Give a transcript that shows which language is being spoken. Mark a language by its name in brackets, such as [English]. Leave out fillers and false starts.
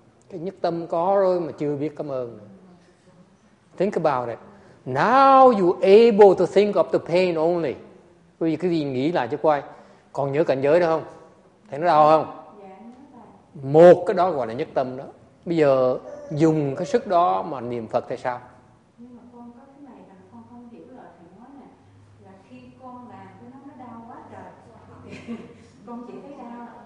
[Vietnamese] Cái nhất tâm có rồi mà chưa biết cảm ơn. [English] Think about it. Now you able to think of the pain only. [Vietnamese] Quý vị cứ nghĩ lại cho coi. Còn nhớ cảnh giới nữa không? Thấy nó đau không? Một cái đó gọi là nhất tâm đó. Bây giờ dùng cái sức đó mà niệm Phật thì sao? Nhưng mà con có cái này là con không hiểu lời Thầy nói nè. Là khi con làm cái nó đau quá trời. Con chỉ thấy đau.